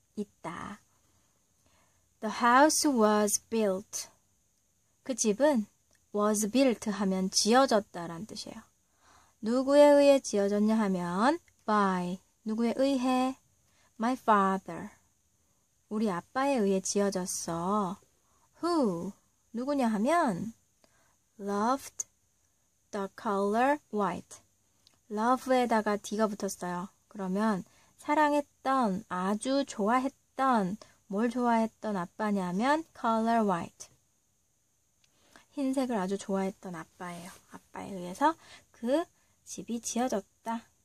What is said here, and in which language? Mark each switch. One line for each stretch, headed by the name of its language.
Korean: 있다.
English: The house was built.
Korean: 그 집은
English: was built
Korean: 하면 지어졌다란 뜻이에요. 누구에 의해 지어졌냐 하면 by 누구에 의해?
English: My father.
Korean: 우리 아빠에 의해 지어졌어.
English: Who
Korean: 누구냐 하면
English: loved the color white.
Korean: love에다가 d가 붙었어요. 그러면 사랑했던 아주 좋아했던 뭘 좋아했던 아빠냐면
English: color white
Korean: 흰색을 아주 좋아했던 아빠예요. 아빠에 의해서 그 집이 지어졌다.